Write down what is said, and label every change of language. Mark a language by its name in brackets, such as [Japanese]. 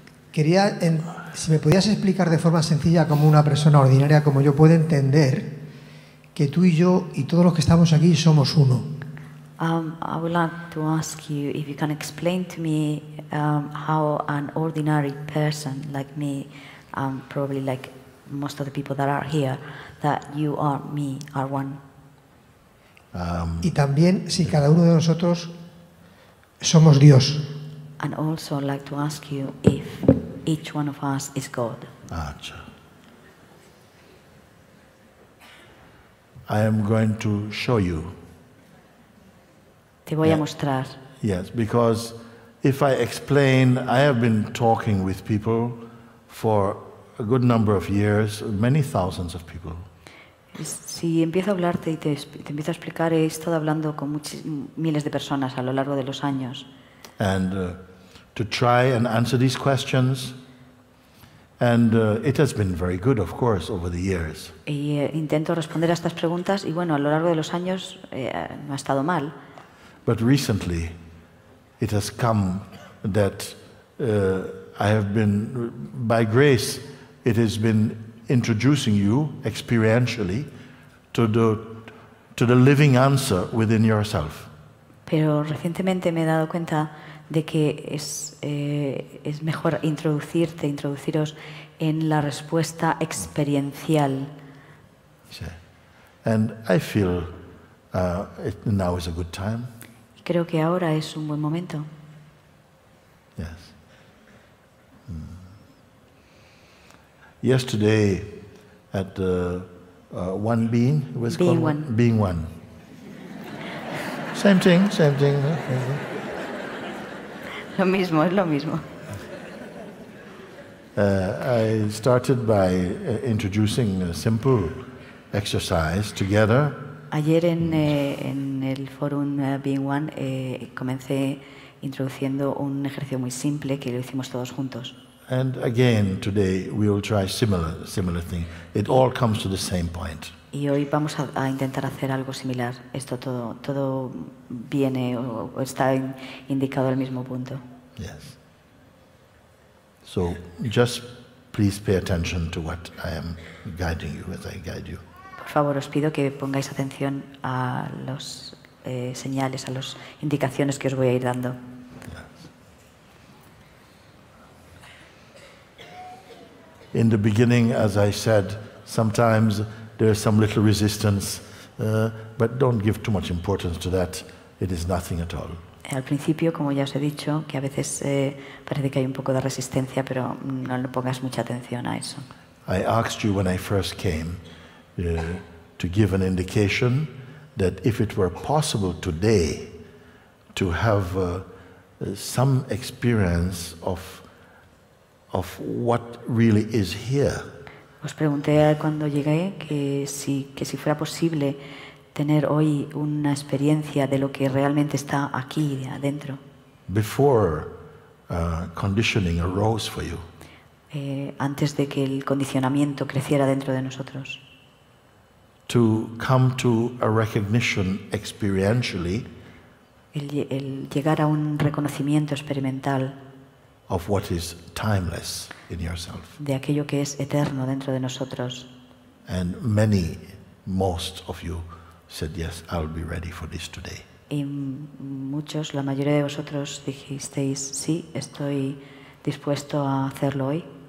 [Spanish] Quería, si me podías explicar de forma sencilla, como una persona ordinaria como yo puede entender, que tú y yo y todos los que estamos aquí somos uno. [English] I would like to ask you if you can explain to me how an ordinary person like me, probably like most of the people that are here, that you are me, are one. [Spanish] Y también si cada uno de nosotros somos Dios. [English] And also like to ask you if each one of us is God. Acha. I am going to show you. [Spanish] Te voy a mostrar. [English] Yes, because if I explain, I have been talking with people for a good number of years, many thousands of people. [Spanish] Si empiezo a hablarte y te empiezo a explicar, he estado hablando con miles de personas a lo largo de los años. [English] And to try and answer these questions. And it has been very good, of course, over the years. [Spanish] Y intento responder a estas preguntas y bueno, a lo largo de los años no ha estado mal. [English] But recently, it has come that I have been, by grace, it has been introducing you experientially to the living answer within yourself. [Spanish] Pero recientemente me he dado cuenta de que es mejor introduciros en la respuesta experiencial. Sí. [English] And I feel now is a good time. [Spanish] Creo que ahora es un buen momento. [English] Yes. Yesterday at the one being, it was being called one. Being one. Same thing, same thing. [Spanish] Lo mismo, es lo mismo. [English] I started by introducing a simple exercise together. [Spanish] Ayer en el forum Being One comencé introduciendo un ejercicio muy simple que lo hicimos todos juntos. [English] And again today we will try similar thing. It all comes to the same point. [Spanish] Y hoy vamos a intentar hacer algo similar. Esto todo viene o está indicado al mismo punto. [English] Yes. So just please pay attention to what I am guiding you as I guide you. [Spanish] Por favor, os pido que pongáis atención a los señales, a las indicaciones que os voy a ir dando. [English] Yes. In the beginning, as I said, sometimes there is some little resistance, but don't give too much importance to that. It is nothing at all. [Spanish] Al principio, como ya os he dicho, que a veces parece que hay un poco de resistencia, pero no le pongas mucha atención a eso. [English] I asked you when I first came to give an indication that if it were possible today to have some experience of what really is here. [Spanish] Os pregunté cuando llegué que si fuera posible tener hoy una experiencia de lo que realmente está aquí adentro. [English] Before conditioning arose for you. [Spanish] Antes de que el condicionamiento creciera dentro de nosotros. [English] To come to a recognition experientially. [Spanish] El llegar a un reconocimiento experimental. [English] Of what is timeless in yourself. [Spanish] De aquello que es eterno dentro de nosotros. [English] And many, most of you. Said yes, I'll be ready for this today. [Spanish] Y muchos, la mayoría de vosotros dijisteis sí, estoy dispuesto a hacerlo hoy.